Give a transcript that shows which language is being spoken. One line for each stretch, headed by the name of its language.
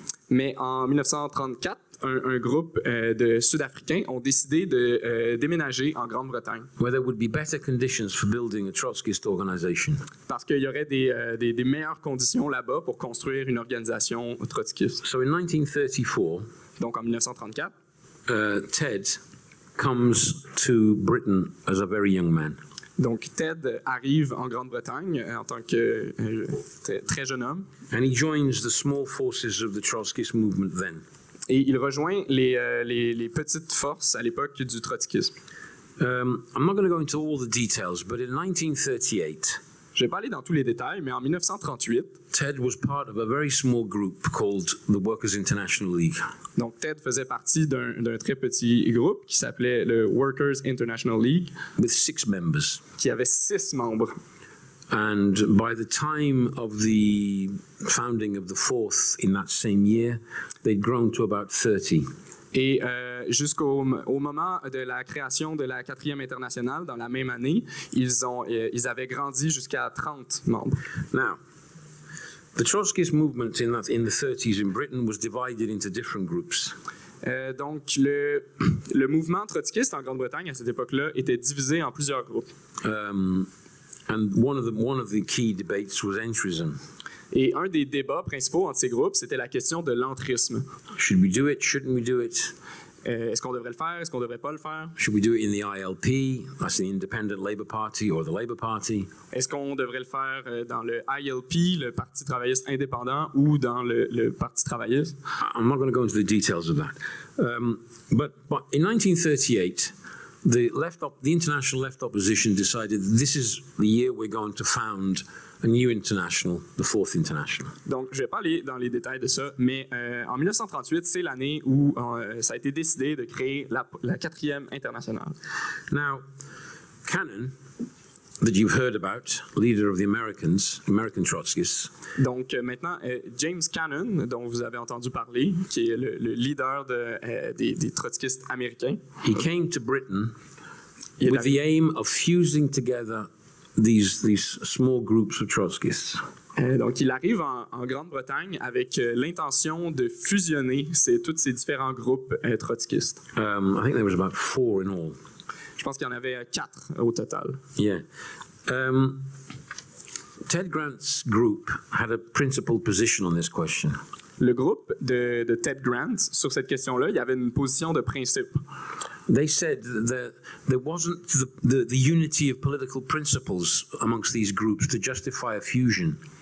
French: Mais en 1934, un groupe de Sud-Africains ont décidé de déménager en Grande-Bretagne.
English: Where there would be better conditions for building a Trotskyist organization.
French: Parce qu'il y aurait des meilleures conditions là-bas pour construire une organisation trotskiste.
English: So in 1934,
French: donc en 1934,
English: Ted comes to Britain as a very young man.
French: Donc Ted arrive en Grande-Bretagne en tant que très jeune homme.
English: And he joins the small forces of the Trotskyist movement then.
French: Et il rejoint les petites forces à l'époque du trotskisme.
English: I'm not going to go into all the details, but in 1938,
French: je vais pas aller dans tous les détails, mais en 1938,
English: Ted was part of a very small group called the Workers International League.
French: Donc Ted faisait partie d'un très petit groupe qui s'appelait le Workers International League.
English: With six members.
French: Qui avait six membres.
English: And by the time of the founding of the Fourth in that same year, they'd grown to about 30.
French: Et jusqu'au moment de la création de la quatrième internationale, dans la même année, ils avaient grandi jusqu'à 30 membres.
English: Now, the Trotskyist movement in the 30s in Britain was divided into different groups.
French: Donc, le mouvement trotskiste en Grande-Bretagne à cette époque-là était divisé en plusieurs groupes.
English: And one of the key debates was entrism.
French: Et un des débats principaux entre ces groupes, c'était la question de l'entrisme.
English: Should we do it? Shouldn't we do it?
French: Est-ce qu'on devrait le faire? Est-ce qu'on devrait pas le faire?
English: Should we do it in the ILP, that's the Independent Labour Party, or the Labour Party?
French: Est-ce qu'on devrait le faire dans le ILP, le Parti travailliste indépendant, ou dans le Parti travailliste?
English: I'm not going to go into the details of that. But in 1938, the international left opposition decided that this is the year we're going to found a new international, the Fourth International.
French: Donc, je vais pas aller dans les détails de ça, mais en 1938, c'est l'année où ça a été décidé de créer la quatrième internationale.
English: Now, Cannon, that you've heard about, leader of the Americans, American Trotskyists.
French: Donc maintenant, James Cannon, dont vous avez entendu parler, qui est le leader des Trotskyistes américains.
English: He came to Britain with the aim of fusing together these small groups of Trotskyists.
French: Donc, il arrive en Grande-Bretagne avec l'intention de fusionner tous ces différents groupes trotskistes.
English: I think there was about four in all.
French: Je pense qu'il y en avait quatre au total. Yeah.
English: Ted Grant's group had a principal position on this question.
French: Le groupe de Ted Grant, sur cette question-là, il y avait une position de principe.
English: They said that there wasn't the unity of political principles amongst these groups to justify a fusion.